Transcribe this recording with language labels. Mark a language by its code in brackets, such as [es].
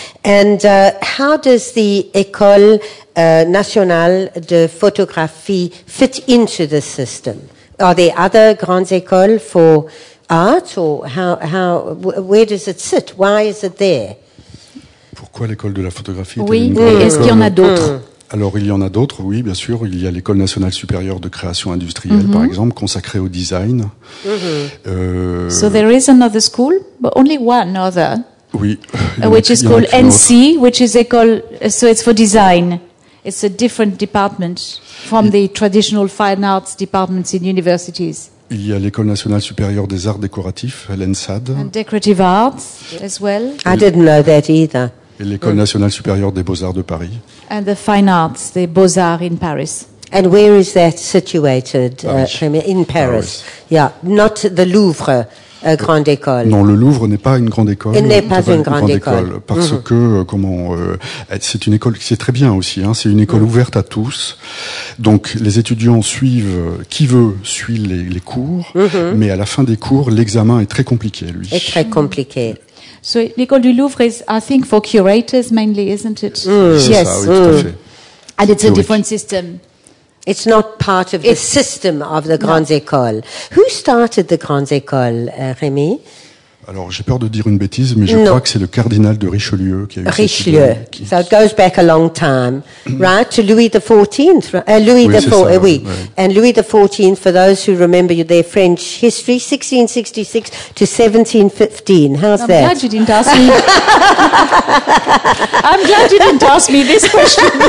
[en] And how does the École Nationale de Photographie fit into the system? Are there other grandes écoles for art, or where does it sit? Why is it there? [fr] Pourquoi l'école de la photographie est-elle une grande école ? Oui, est-ce qu'il y en a d'autres ? Alors, il y en a d'autres, oui, bien sûr. Il y a l'École nationale supérieure de création industrielle, mm-hmm. par exemple, consacrée au design. Mm-hmm. [en] So there is another school, but only one other. [fr] Oui. [en] Which is called NC, which is école, so it's for design. It's a different department from the traditional fine arts departments in universities. [fr] Il y a l'École nationale supérieure des arts décoratifs, l'ENSAD. [en] And decorative arts as well. I didn't know that either. [fr] Et l'École nationale supérieure des beaux-arts de Paris. [en] And the fine arts, the beaux-arts in Paris. And where is that situated? In Paris. Yeah, not the Louvre. [fr] Une grande école. Non, le Louvre n'est pas une grande école. Il n'est pas une grande école. Parce que, c'est une école qui est très bien aussi, hein, c'est une école ouverte à tous. Donc, les étudiants suivent, qui veut, suit les cours. Mm-hmm. Mais à la fin des cours, l'examen est très compliqué, lui. Est très compliqué. [en] So, l'école du Louvre is, I think, for curators mainly, isn't it? [fr] Mm. [en] Yes. [fr] Ça, oui, tout à fait. [en] And it's a different system. It's not part of the system of the grandes écoles. Who started the grandes écoles, Rémi? [fr] Alors, j'ai peur de dire une bêtise, mais je crois que c'est le cardinal de Richelieu qui a eu Richelieu. Cette idée. [en] Richelieu. So it goes back a long time, right? To Louis the 14th. And Louis the 14th, for those who remember their French history, 1666 to 1715. I'm glad you didn't ask me. I'm glad you didn't ask me this question.